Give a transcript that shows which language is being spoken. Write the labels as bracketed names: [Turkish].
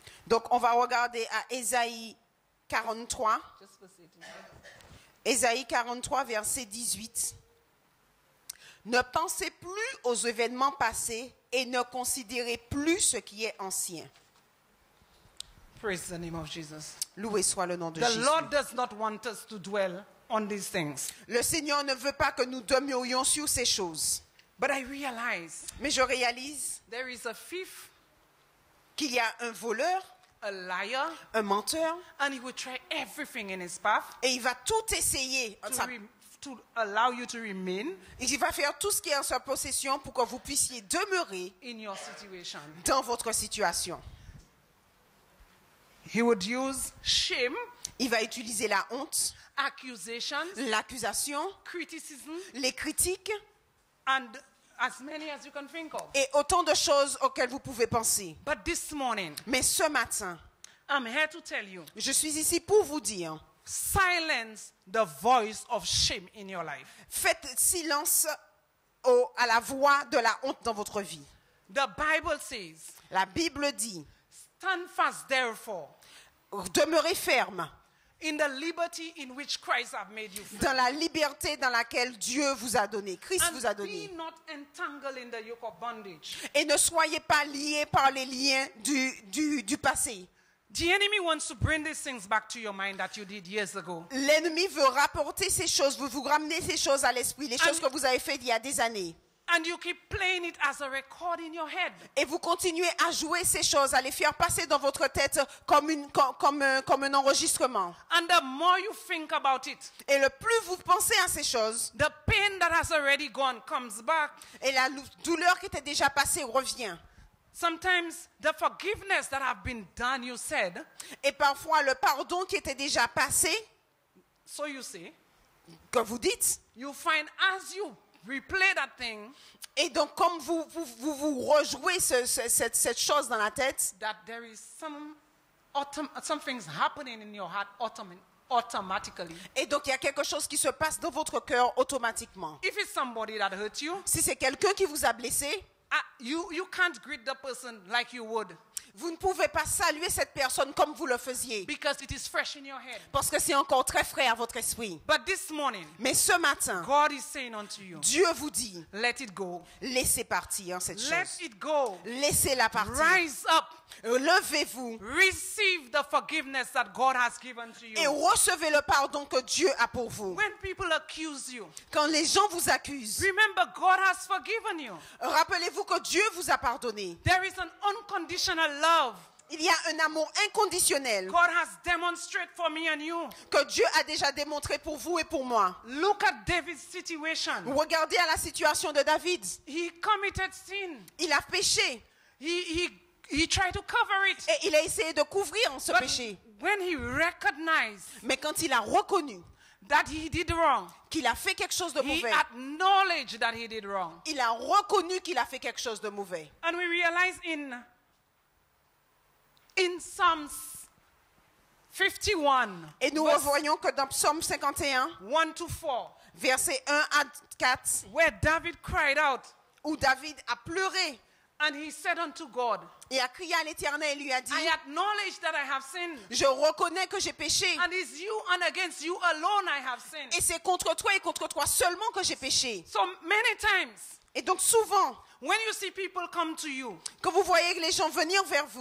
[French] Donc on va regarder à Ésaïe 43. [English] Just verse 18. [French] Ésaïe 43 verset 18. Ne pensez plus aux événements passés et ne considérez plus ce qui est ancien. [English] Praise the name of Jesus. [French] Loué soit le nom de [English] the [French] Jésus. [English] The Lord does not want us to dwell on these things. [French] Le Seigneur ne veut pas que nous demeurions sur ces choses. [English] But I realize. [French] Mais je réalise. [English] There is a thief. [French] Qu'il y a un voleur. [English] A liar. [French] Un menteur. [English] And he will try everything in his path. [French] Et il va tout essayer. [English] To allow you to remain. [French] Et il va faire tout ce qui est en sa possession pour que vous puissiez demeurer. [English] In your situation. [French] Dans votre situation. [English] He would use shame. [French] Il va utiliser la honte. [English] Accusations. [French] L'accusation. [English] Criticism. [French] Les critiques. [English] And as many as you can think of. [French] Et autant de choses auxquelles vous pouvez penser. [English] But this morning, [French] mais ce matin, [English] I'm here to tell you, [French] je suis ici pour vous dire, [English] silence the voice of shame in your life. [French] Faites silence à la voix de la honte dans votre vie. [English] The Bible says, [French] la Bible dit, [English] stand fast therefore, [French] demeurez ferme. [English] In the liberty in which Christ have made you free. [French] Dans la liberté dans laquelle Dieu vous a donné, Christ [English] and [French] vous a donné. [English] Be not entangled in the yoke of bondage. [French] Et ne soyez pas liés par les liens du passé. [English] The enemy wants to bring these things back to your mind that you did years ago. [French] L'ennemi veut rapporter ces choses, vous ramener ces choses à l'esprit, les choses que vous avez faites il y a des années. [English] And you keep playing it as a record in your head. [French] Et vous continuez à jouer ces choses, à les faire passer dans votre tête comme un enregistrement. [English] And the more you think about it, [French] et le plus vous pensez à ces choses, [English] the pain that has already gone comes back. [French] Et la douleur qui était déjà passée revient. [English] Sometimes the forgiveness that have been done, you said. [French] Et parfois le pardon qui était déjà passé. [English] So you see, [French] que vous dites, [English] you find as you replay that thing, [French] et donc comme vous rejouez cette chose dans la tête, [English] that there is some things happening in your heart automatically. [French] Et donc il y a quelque chose qui se passe dans votre cœur automatiquement. [English] If it's somebody that hurt you, [French] si c'est quelqu'un qui vous a blessé, [English] you can't greet the person like you would. [French] Vous ne pouvez pas saluer cette personne comme vous le faisiez. [English] Because it is fresh in your head. [French] Parce que c'est encore très frais à votre esprit. [English] But this morning, [French] mais ce matin, [English] God is saying unto you, [French] Dieu vous dit, [English] let it go. [French] Laissez partir cette [English] let [French] chose. [English] It go. [French] Laissez-la partir. [English] Rise up. [French] Levez-vous. [English] Receive the forgiveness that God has given to you. [French] Et recevez le pardon que Dieu a pour vous. [English] When people accuse you, [French] quand les gens vous accusent, [English] remember God has forgiven you. [French] Rappelez-vous que Dieu vous a pardonné. [English] There is an unconditional love. [French] Il y a un amour inconditionnel. [English] God has demonstrated for me and you. [French] Que Dieu a déjà démontré pour vous et pour moi. [English] Look at David's situation. [French] Regardez à la situation de David. [English] He committed sin. [French] Il a péché. [English] He tried to cover it. [French] Et il a essayé de couvrir ce [English] but [French] péché. [English] When he recognized, [French] mais quand il a reconnu [English] that he did wrong, [French] qu'il a fait quelque chose de mauvais, [English] he acknowledged that he did wrong. [French] Il a reconnu qu'il a fait quelque chose de mauvais. [English] And we realize in Psalms 51, [French] et nous revoyons que dans Psaume 51, [English] 1 to 4, [French] versets 1 à 4, [English] where David cried out, [French] où David a pleuré, [English] and he said unto God, [French] et a crié à l'Éternel et lui a dit, [English] I acknowledge that I have sinned. [French] Je reconnais que j'ai péché. [English] And it's you and against you alone I have sinned. [French] Et c'est contre toi et contre toi seulement que j'ai péché. [English] So many times, [French] et donc souvent, [English] when you see people come to you, [French] que vous voyez les gens venir vers vous,